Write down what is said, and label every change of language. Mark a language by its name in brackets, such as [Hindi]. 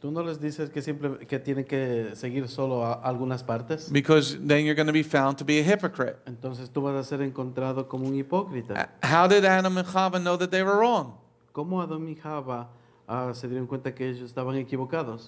[Spanish] Tú no les dices que tienen que seguir solo algunas partes. [English] Because then you're going to be found to be a hypocrite. [Spanish] Entonces tú vas a ser encontrado como un hipócrita. [English] How did Adam and Eve know that they were wrong? [Spanish] ¿Cómo Adam y Eva se dieron cuenta que ellos estaban equivocados?